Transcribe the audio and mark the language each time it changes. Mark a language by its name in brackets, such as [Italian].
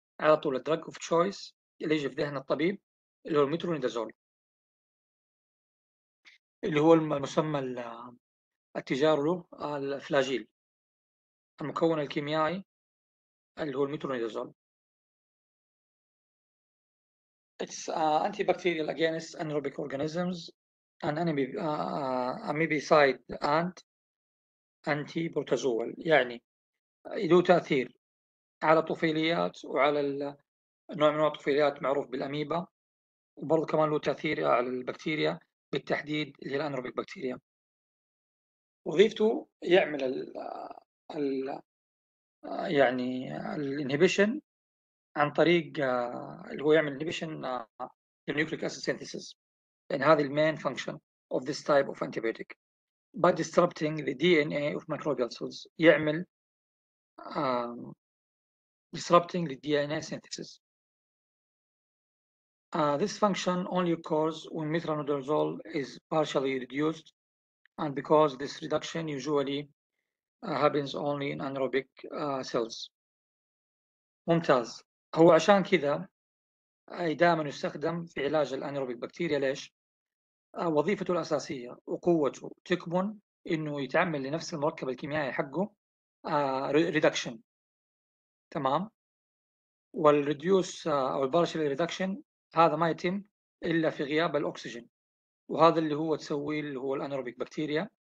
[Arabic] على طول الدرج اوف تشويس اللي يجي في ذهن الطبيب اللي هو الميترونيدازول اللي هو المسمى التجار له الفلاجيل. المكون الكيميائي اللي هو الميترونيدازول. [English] It's antibacterial against anaerobic organisms and amoebicide and anti-protozoal. [Arabic] يعني له تأثير على الطفيليات وعلى النوع من الطفيليات معروف بالأميبا وبرضه كمان له تأثير على البكتيريا بالتحديد اللي هي الأنروبيك بكتيريا. وظيفته يعمل يعني الانهيبيشن عن طريق اللي هو يعمل انهيبيشن للنيوكليك أسيد سينثيسيس. إن هذه المين فانكشن [English] of this type of antibiotic by disrupting the DNA of microbial cells. [Arabic] يعمل [English] disrupting the DNA synthesis. This function only occurs when metronidazole is partially reduced, and because this reduction usually happens only in anaerobic cells. [Arabic] ممتاز. هو عشان كذا أي دائما يستخدم في علاج الأنيروبيك بكتيريا. ليش؟ وظيفته الأساسية وقوته تكمن إنه يتعمل لنفس المركب الكيميائي حقه reduction. تمام؟ والريديوس أو البارشل ريدكشن هذا ما يتم إلا في غياب الأكسجين، وهذا اللي هو تسوي اللي هو الأنيروبيك بكتيريا.